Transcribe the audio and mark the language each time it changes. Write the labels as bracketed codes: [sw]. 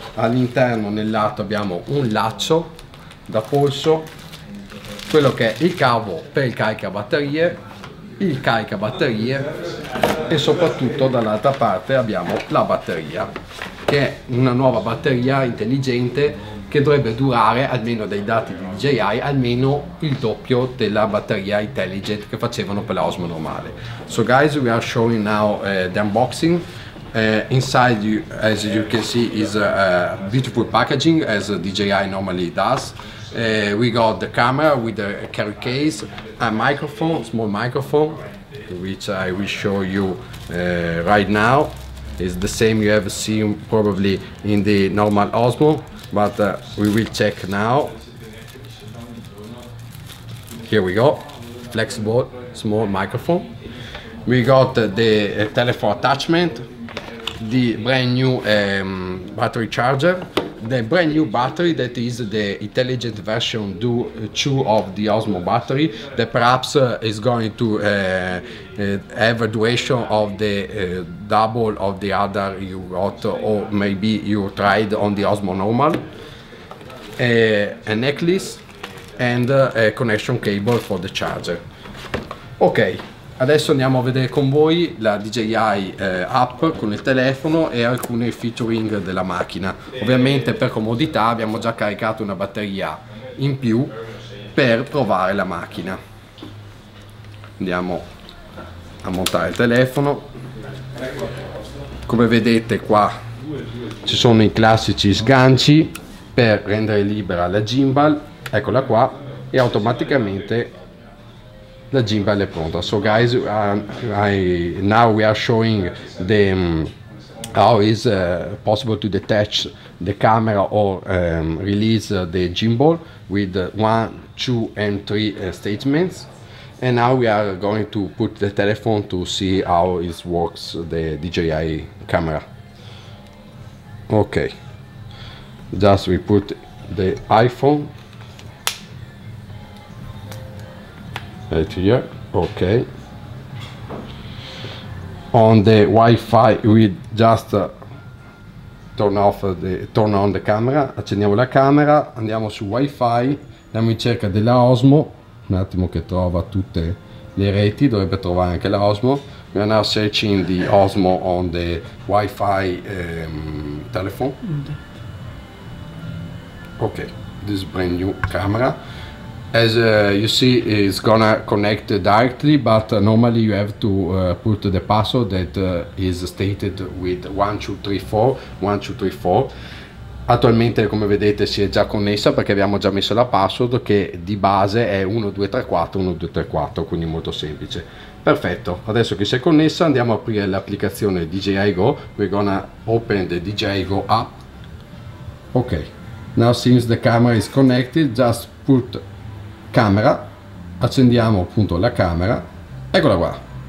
[it] All'interno nel lato abbiamo un laccio da polso, quello che è il cavo per il caricabatterie, il caricabatterie e soprattutto dall'altra parte abbiamo la batteria, che è una nuova batteria intelligente che dovrebbe durare, almeno dai dati di DJI, almeno il doppio della batteria intelligent che facevano per la Osmo normale. [en] So guys, we are showing now the unboxing. Inside you, as you can see, is a beautiful packaging as DJI normally does. We got the camera with a carry case, a microphone, small microphone, which I will show you right now. It's the same you have seen probably in the normal Osmo, but we will check now. Here we go, flexible small microphone. We got the telephone attachment, the brand new battery charger, the brand new battery that is the intelligent version 2 of the Osmo battery that perhaps is going to have a duration of the double of the other you got or maybe you tried on the Osmo normal, a necklace and a connection cable for the charger. Okay. [it] Adesso andiamo a vedere con voi la DJI app con il telefono e alcune featuring della macchina. Ovviamente per comodità abbiamo già caricato una batteria in più per provare la macchina. Andiamo a montare il telefono. Come vedete qua ci sono i classici sganci per rendere libera la gimbal. Eccola qua e automaticamente la gimbal è pronta. [en] So guys, now we are showing the how is possible to detach the camera or release the gimbal with 1, 2 and 3 statements, and now we are going to put the telephone to see how it works, the DJI camera. Okay, just we put the iPhone right here. Okay, on the Wi-Fi we just turn on the camera. [it] Accendiamo la camera, andiamo su Wi-Fi, andiamo in cerca della Osmo, un attimo che trova tutte le reti, dovrebbe trovare anche la Osmo. [en] We are now searching the Osmo on the Wi-Fi telephone. Okay, this brand new camera. As you see, it's gonna connect directly, but normally you have to put the password that is stated with 1234 1234. [it] Attualmente, come vedete, si è già connessa perché abbiamo già messo la password, che di base è 1234 1234, quindi molto semplice. Perfetto, adesso che si è connessa andiamo a aprire l'applicazione DJI Go. [en] We're gonna open the DJI Go app. Ok, now since the camera is connected, just put camera, [it] accendiamo appunto la camera, eccola qua.